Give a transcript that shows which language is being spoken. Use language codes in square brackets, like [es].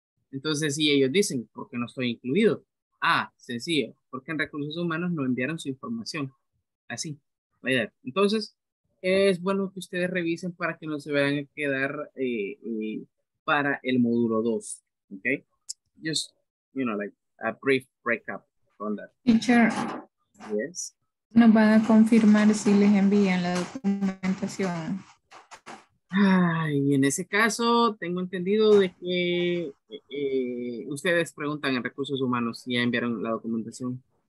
[es] Entonces, si ellos dicen, ¿por qué no estoy incluido? Sencillo, porque en recursos humanos no enviaron su información. Así, ¿verdad? Entonces, es bueno que ustedes revisen para que no se vayan a quedar para el módulo 2, ¿ok? [en] Just, you know, like a brief breakup on that. Teacher. Yes. [es] ¿Nos van a confirmar si les envían la documentación? Ay, en ese caso, tengo entendido de que ustedes preguntan en recursos humanos si ya enviaron la documentación.